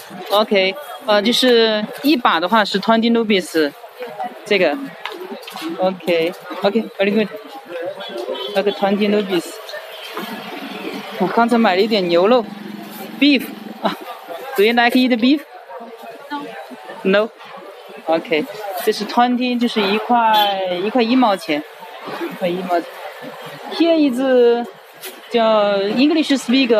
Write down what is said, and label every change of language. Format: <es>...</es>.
<zh>OK, 就是一把的话是 20 rubies. 这个</zh> <en>OK, OK, very good.</en> <zh>那个</zh> <en>20 rubies.</en> <zh>我刚才买了一点牛肉 beef.</zh> <en>Do you like eat beef? No. No?</en> <zh>OK, 这是 20, 就是一块一毛钱。</zh> <en>Here is English speaker.</en>